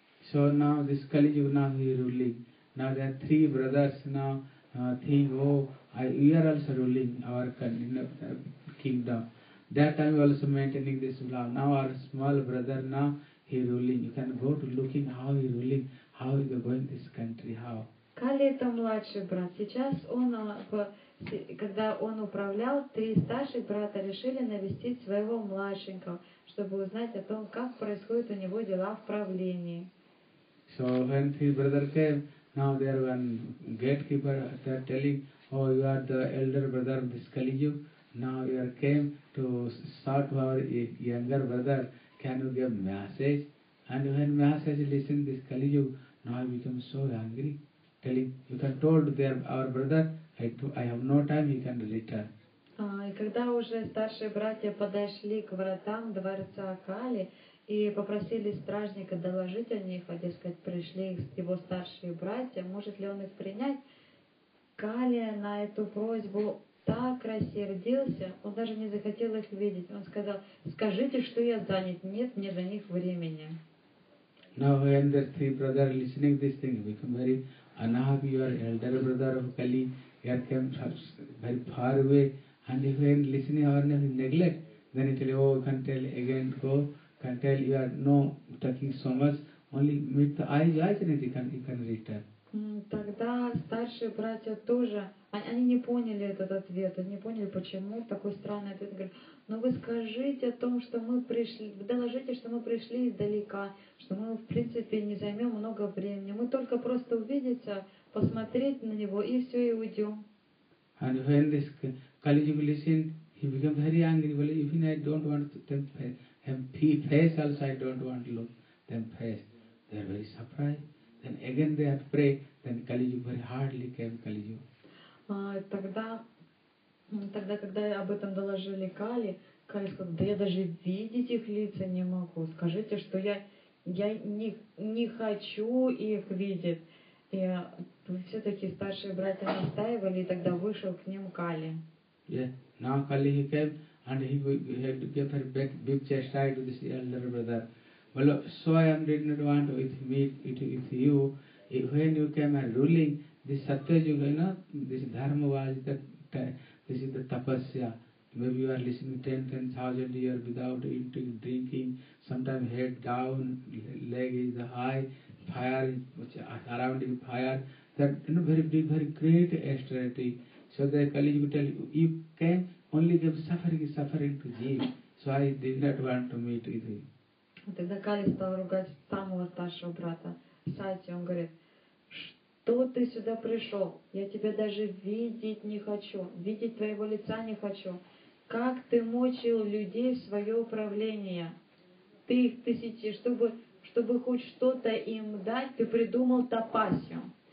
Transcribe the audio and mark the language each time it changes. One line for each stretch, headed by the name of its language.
English: So now this Kali Yuga now he ruling. Now there are three brothers now think, we are also ruling our kingdom. That time we are also maintaining this law. Now our small brother now he ruling. You can go to looking how he ruling, how he going this country, how.
Russian: Kali это младший брат. Сейчас он, когда он управлял, три старших брата решили навестить своего младшенького, чтобы узнать о том, как происходят у него дела в правлении.
English: So when three brothers came, now there one gatekeeper they're telling, you are the elder brother of this Kali Yuga. Now you are came to sort our younger brother. Can you give message? And when message listen this Kali Yuga, now he becomes so angry. Telling, you can told their our brother, I have no time, he can return.
Russian: И когда уже старшие братья подошли к вратам дворца Кали, и попросили стражника доложить о них, а, дескать, пришли его старшие братья, может ли он их принять? Кали на эту просьбу так рассердился, он даже не захотел их видеть. Он сказал, скажите, что я занят, нет мне до них времени.
English: Now when the three brothers are listening to this thing, become very unhappy, your elder brother of Kali, you came very far away, and if you are listening or neglect, then it will, you can tell again, go. Can tell you are no talking so much. Only meet the eyes, and you can return.
Russian: Тогда старшие братья тоже, они не поняли этот ответ, они не поняли, почему такой странный ответ. Говорят, но вы скажите о том, что мы пришли, вы доложите, что мы пришли издалека, что мы в принципе не займем много времени, мы только просто увидеться, посмотреть на него и все и уйдем.
English: And when this Kali Yuga listened, he became very angry. Well, even I don't want to tempt him. Them face also I don't want to look them face. They are very surprised. Then again they have to pray. Then Kali Yuga very hardly came Kali Yuga.
Russian: Тогда, когда об этом доложили Кали, Кали сказал, да я даже видеть их лица не могу. Скажите, что я не хочу их видеть. И все-таки старшие братья настаивали, и тогда вышел к ним Кали.
English: Now Kali he came and he had to give her big chastise to this elder brother. Well, so I am not want with me, with you. When you came and ruling, this Satyayuga, you know, this dharma was the, this is the tapasya. Maybe you are listening 10,000 years without eating, drinking, sometimes head down, leg is high, fire is surrounding fire. That, you know, very big, very great austerity. So the Kali will tell you, you can only give suffering to Jeev. So I did not want to meet with him.
Russian: Тогда Кали стал ругать самого старшего брата Сати. Он говорит, что ты сюда пришел? Я тебя даже видеть не хочу, видеть твоего лица не хочу. Как ты мучил людей в свое управление? Ты их тысячи, чтобы хоть что-то им дать, ты придумал тапасью.